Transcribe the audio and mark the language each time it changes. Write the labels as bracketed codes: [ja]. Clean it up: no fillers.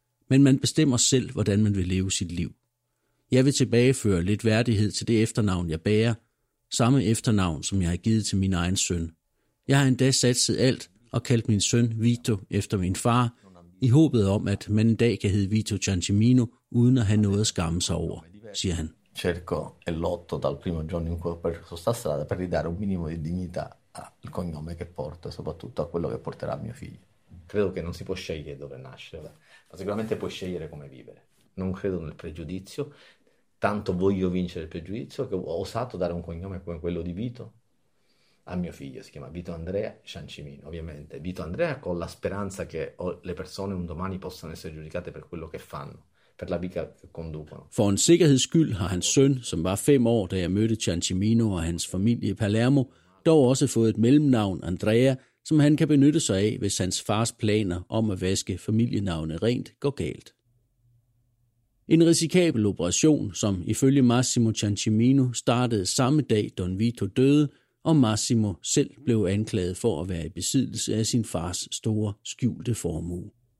[da] Men man bestemmer selv, hvordan man vil leve sit liv. Jeg vil tilbageføre lidt værdighed til det efternavn, jeg bærer. Samme efternavn, som jeg har givet til min egen søn. Jeg har endda satset alt og kaldt min søn Vito efter min far, i håbet om, at man en dag kan hedde Vito Ciancimino, uden at have noget at skamme sig over, siger han. [it] Cerco e lotto dal primo giorno in cui ho perso sta strada per ridare un minimo di dignità al cognome che porto, soprattutto a quello che porterà mio figlio. Credo che non si può scegliere dove nascere, ma sicuramente puoi scegliere come vivere. Non credo nel pregiudizio, tanto voglio vincere il pregiudizio che ho osato dare un cognome come quello di Vito a mio figlio. Si chiama Vito Andrea Ciancimino, ovviamente. Vito Andrea con la speranza che le persone un domani possano essere giudicate per quello che fanno, per la vita che conducono. [da] For en sikkerheds skyld har hans søn, som var 5 år, da jeg mødte Ciancimino og hans familie i Palermo, dog også fået et mellemnavn Andrea, som han kan benytte sig af, hvis hans fars planer om at vaske familienavnet rent går galt. En risikabel operation, som ifølge Massimo Ciancimino startede samme dag Don Vito døde, og Massimo selv blev anklaget for at være i besiddelse af sin fars store skjulte formue.